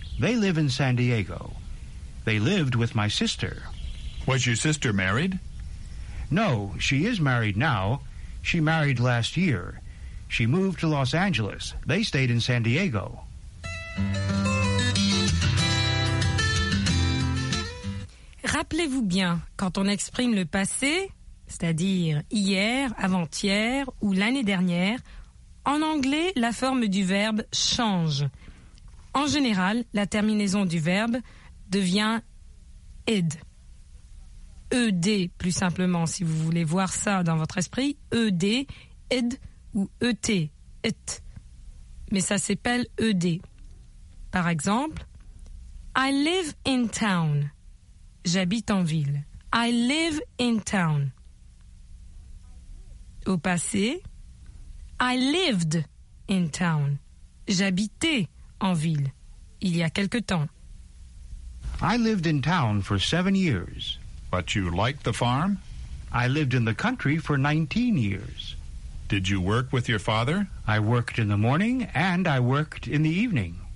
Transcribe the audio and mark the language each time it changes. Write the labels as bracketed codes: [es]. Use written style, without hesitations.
[en] They live in San Diego. They lived with my sister. Was your sister married? No, she is married now. She married last year. She moved to Los Angeles. They stayed in San Diego. [fr] Rappelez-vous bien, quand on exprime le passé, c'est-à-dire hier, avant-hier ou l'année dernière, en anglais, la forme du verbe change. En général, la terminaison du verbe devient « id ». ED, plus simplement, si vous voulez voir ça dans votre esprit, ED, ED ou ET, IT. Mais ça s'appelle ED. Par exemple, [en] I live in town. [fr] J'habite en ville. [en] I live in town. [fr] Au passé, [en] I lived in town. [fr] J'habitais en ville, il y a quelque temps. [en] I lived in town for 7 years. But you liked the farm? I lived in the country for 19 years. Did you work with your father? I worked in the morning and I worked in the evening.